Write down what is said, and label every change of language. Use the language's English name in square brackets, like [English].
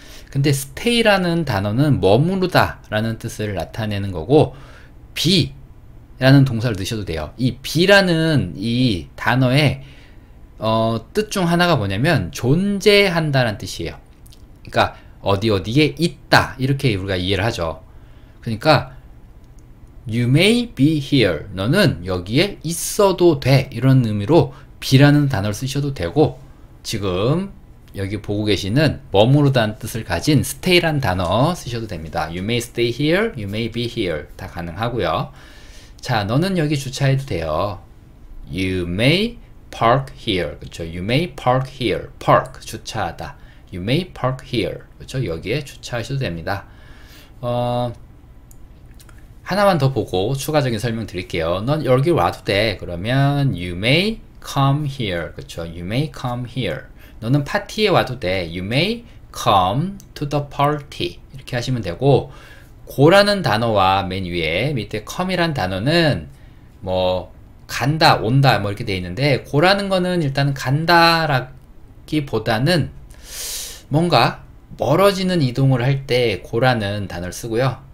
[Korean] 근데 stay 라는 단어는 머무르다 라는 뜻을 나타내는 거고 be 라는 동사를 넣으셔도 돼요. 이 be 라는 이 단어의 뜻 중 하나가 뭐냐면 존재한다 라는 뜻이에요. 그러니까 어디 어디에 있다 이렇게 우리가 이해를 하죠. [English] 그러니까 You may be here. [Korean] 너는 여기에 있어도 돼. 이런 의미로 be라는 단어를 쓰셔도 되고 지금 여기 보고 계시는 머무르다는 뜻을 가진 stay라는 단어 쓰셔도 됩니다. [English] You may stay here. You may be here. [Korean] 다 가능하고요. 자, 너는 여기 주차해도 돼요. [English] You may park here. [Korean] 그렇죠? [English] You may park here. park, [Korean] 주차하다. [English] You may park here. [Korean] 그렇죠? 여기에 주차하셔도 됩니다. 하나만 더 보고 추가적인 설명 드릴게요. 넌 여기 와도 돼. 그러면 [English] you may come here. [Korean] 그쵸? [English] You may come here. [Korean] 너는 파티에 와도 돼. [English] You may come to the party. [Korean] 이렇게 하시면 되고 go라는 단어와 맨 위에 밑에 come이란 단어는 뭐 간다, 온다 뭐 이렇게 돼 있는데 go라는 거는 일단 간다라기보다는 뭔가 멀어지는 이동을 할 때 go라는 단어를 쓰고요.